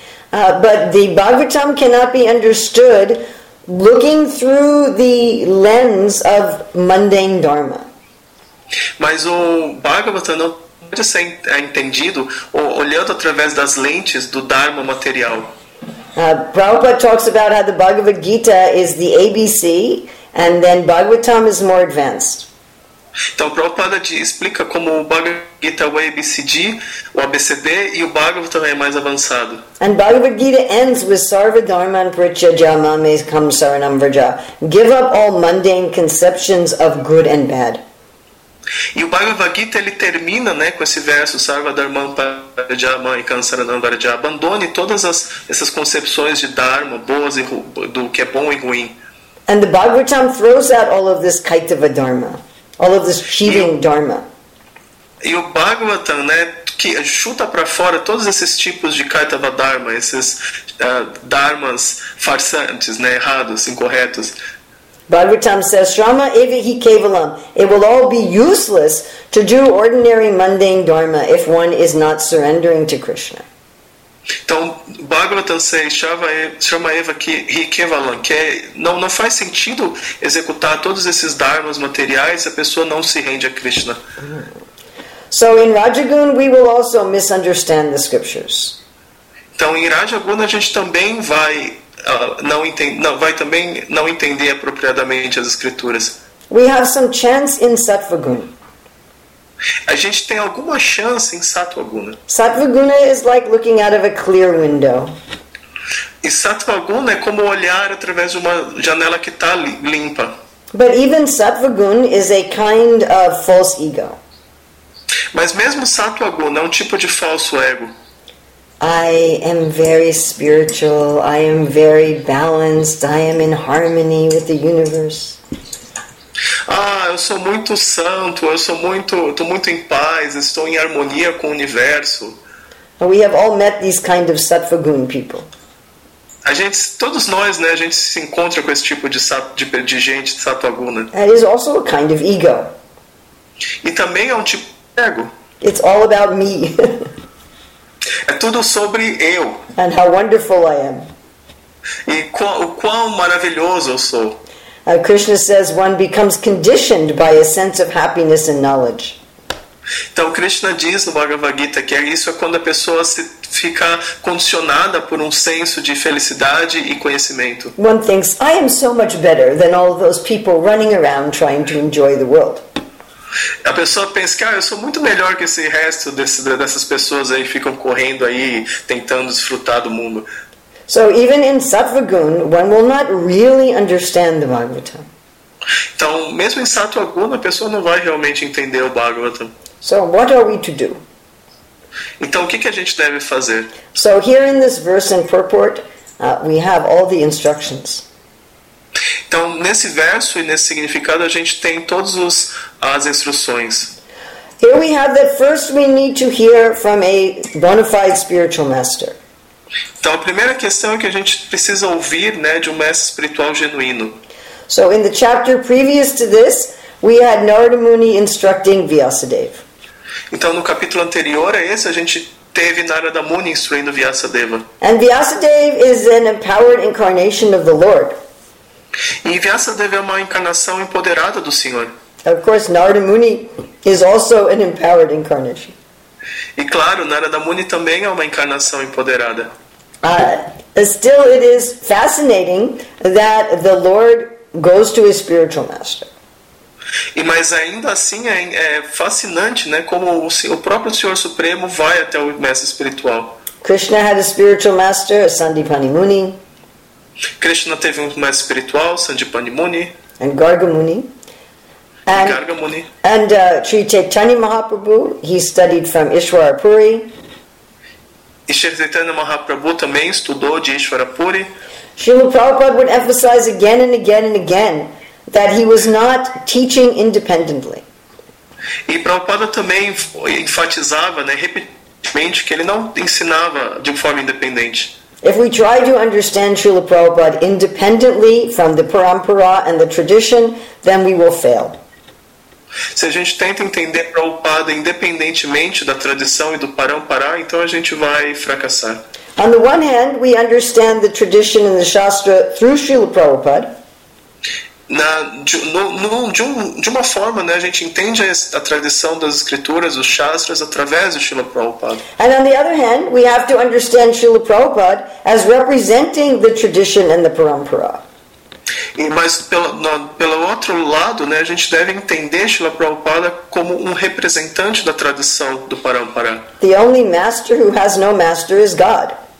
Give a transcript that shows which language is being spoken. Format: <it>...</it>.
<en>But the Bhagavatam cannot be understood looking through the lens of mundane dharma.</en> <pt>Mas o Bhagavatam não pode ser entendido olhando através das lentes do dharma material.</pt> <en>Prabhupada talks about how the Bhagavad Gita is the ABC and then Bhagavatam is more advanced.</en> <pt>Então, Prabhupada explica como o Bhagavad Gita é o ABCD, o ABCD e o Bhagavatam é mais avançado.</pt> <en>And Bhagavad Gita ends with Sarva Dharma and Pritya Jamame Kam Saranam Vraja. Give up all mundane conceptions of good and bad.</en> <pt>E o Bhagavad Gita ele termina, né, com esse verso Sarva Dharma Parajama e Kansaranam Varaja. Abandone todas essas concepções de dharma boas e do que é bom e ruim.</pt> <en>And the Bhagavatam throws out all of this Kaitava Dharma. All of this cheating dharma.</en> <pt>E o Bhagavatam, né, que chuta para fora todos esses tipos de Kaitava Dharma, esses dharmas farsantes, né, errados, incorretos.</pt> <en>Bhagavatam says, Shrama evihi kevalam. It will all be useless to do ordinary mundane dharma if one is not surrendering to Krishna.</en> <pt>Então, Bhagavatam</pt> <en>says,</en> <pt>Shrama evihi kevalam, que não faz sentido executar todos esses dharmas materiais se a pessoa não se rende a Krishna.</pt> <en>So, in Rajagun, we will also misunderstand the scriptures.</en> <pt>Então, em Rajagun, a gente também vai... não entender apropriadamente as escrituras.</pt> <en>We have some chance in Sattvaguna.</en> <pt>A gente tem alguma chance em Sattvaguna.</pt> <en>Sattvaguna is like looking out of a clear window.</en> <pt>E Sattvaguna é como olhar através de uma janela que está limpa.</pt> <en>But even Sattvaguna is a kind of false ego.</en> <pt>Mas mesmo Sattvaguna é um tipo de falso ego.</pt> <en>I am very spiritual, I am very balanced, I am in harmony with the universe.</en> <pt>Ah, eu sou muito santo, estou muito em paz, estou em harmonia com o universo.</pt> <en>We have all met these kind of Sattvaguna people.</en> <pt>Todos nós, né, a gente se encontra com esse tipo de gente de Sattvaguna.</pt> <en>That is also a kind of ego.</en> <pt>E também é um tipo de ego.</pt> <en>It's all about me.</en> <pt>É tudo sobre eu.</pt> <en>And how wonderful I am.</en> <pt>E o quão maravilhoso eu sou.</pt> <en>Krishna says one becomes conditioned by a sense of happiness and knowledge.</en> <pt>Então Krishna diz no Bhagavad Gita que isso é quando a pessoa se fica condicionada por um senso de felicidade e conhecimento.</pt> <en>One thinks I am so much better than all those people running around trying to enjoy the world.</en> <pt>A pessoa pensa que eu sou muito melhor que esse resto dessas pessoas aí que ficam correndo aí tentando desfrutar do mundo.</pt> <en>So even in Sattvaguna, one will not really understand the Bhagavatam.</en> <pt>Então, mesmo em Sattvaguna, a pessoa não vai realmente entender o Bhagavatam.</pt> <en>So what are we to do?</en> <pt>Então, o que a gente deve fazer?</pt> <en>So here in this verse and purport, we have all the instructions.</en> <pt>Então, nesse verso e nesse significado, a gente tem todas as instruções.</pt> <en>Here we have that first we need to hear from a bona fide spiritual master.</en> <pt>Então, a primeira questão é que a gente precisa ouvir, né, de um mestre espiritual genuíno.</pt> <en>So, in the chapter previous to this, we had Narada Muni instructing Vyasadeva.</en> <pt>Então, no capítulo anterior a esse, a gente teve Narada Muni instruindo Vyasadeva.</pt> <en>And Vyasadeva is an empowered incarnation of the Lord.</en> <pt>E Vyasadeva é uma encarnação empoderada do Senhor.</pt> <en>Of course, Narada Muni is also an empowered incarnation.</en> <pt>E claro, Narada Muni também é uma encarnação empoderada.</pt> <en>Still, it is fascinating that the Lord goes to his spiritual master.</en> <pt>Mas ainda assim é fascinante, né, como o próprio Senhor Supremo vai até o mestre espiritual.</pt> <en>Krishna had a spiritual master, Sandipani Muni.</en> <pt>Krishna teve um mestre espiritual, Sandipani Muni.</pt> <en>And Garga Muni. And Sri Chaitanya Mahaprabhu, he studied from Ishwara Puri.</en> <pt>E Sri Chaitanya Mahaprabhu também estudou de Ishwara Puri.</pt> <en>Srila Prabhupada would emphasize again and again and again that he was not teaching independently.</en> <pt>E Prabhupada também enfatizava, né, repetidamente que ele não ensinava de forma independente.</pt> <en>If we try to understand Srila Prabhupada independently from the parampara and the tradition, then we will fail.</en> <pt>Se a gente tenta entender Prabhupada independentemente da tradição e do parampará, então a gente vai fracassar.</pt> <en>On the one hand, we understand the tradition and the shastra through Srila Prabhupada.</en> <pt>De uma forma, né, a gente entende a tradição das escrituras, os shastras, através do Srila Prabhupada.</pt> <en>And on the other hand, we have to understand Srila Prabhupada as representing the tradition and the parampara.</en> <pt>Mas pelo outro lado, né, a gente deve entender Srila Prabhupada como um representante da tradição do parampara.</pt> <en>The only master who has no master is God.</en>